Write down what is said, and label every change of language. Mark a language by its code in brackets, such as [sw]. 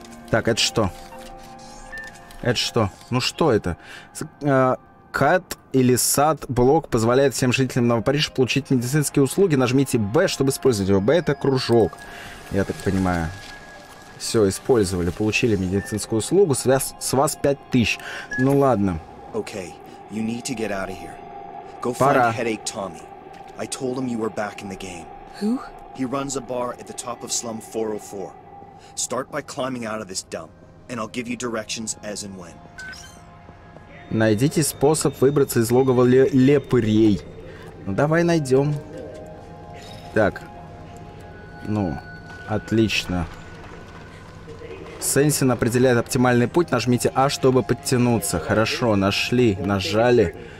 [ru] Так, это что? Это что? Ну что это? Кат или сад блок позволяет всем жителям Новопарижа получить медицинские услуги. Нажмите Б, чтобы использовать его. Б это кружок. Я так понимаю. Все, использовали. Получили медицинскую услугу. С вас 5000. Ну ладно. [en] Okay. You need to get out of here. Пора. Find Headache Tommy. I told him you were back in the game. Who? He runs a bar at the top of slum 404. Start by climbing out of this dump, and I'll give you directions as and when. [ru] Найдите способ выбраться из логова лепырей. Ну, давай найдем. Так. Ну, отлично. Сенсин определяет оптимальный путь. Нажмите А, чтобы подтянуться. Хорошо, нашли, нажали.